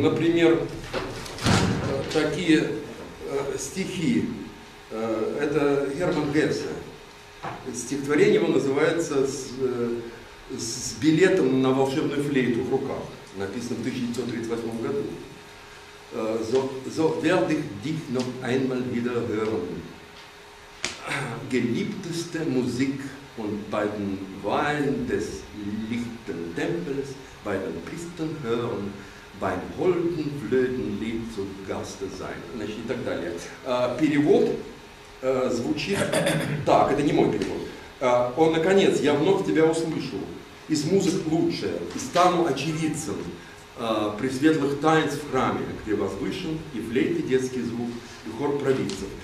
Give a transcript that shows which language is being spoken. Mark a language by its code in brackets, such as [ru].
[ru] Например, такие стихи. Это Герман Гессе. Стихотворение его называется «С билетом на волшебную флейту в руках», написано в 1938 году. [de] so werde ich dich noch einmal wieder hören. Geliebteste Musik und bei den Weihen des lichten Tempels, bei den Priestern hören, beim holden Flötenlied zu Gaste sein. [ru] Значит, и так далее. Перевод звучит так, это не мой перевод. О, наконец, я вновь тебя услышу. Из музык лучше, и стану очевидцем при светлых танец в храме, где возвышен и флейты детский звук, и хор провидцев.